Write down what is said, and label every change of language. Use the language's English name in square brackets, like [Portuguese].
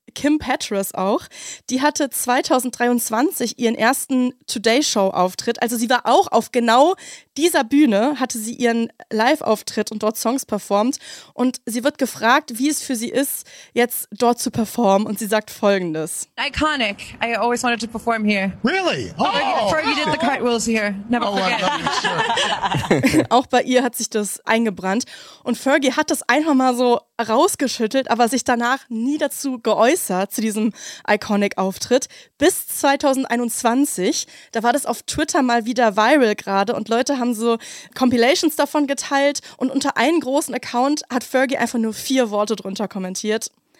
[German] Kim Petras auch, die hatte 2023 ihren ersten Today-Show-Auftritt. Also sie war auch auf genau dieser Bühne, hatte sie ihren Live-Auftritt und dort Songs performt. Und sie wird gefragt, wie es für sie ist, jetzt dort zu performen. Und sie sagt Folgendes. [English] Iconic. I always wanted to perform here. Really? Oh, before you did the cartwheels here. Never forget. Sure. [German] Auch bei ihr hat sich das eingebrannt. Und Fergie hat das einfach mal so rausgeschüttelt, aber sich danach nie dazu geäußert, zu diesem Iconic-Auftritt, bis 2021. Da war das auf Twitter mal wieder viral gerade und Leute haben so Compilations davon geteilt und unter einem großen Account hat Fergie einfach nur 4 Worte drunter kommentiert.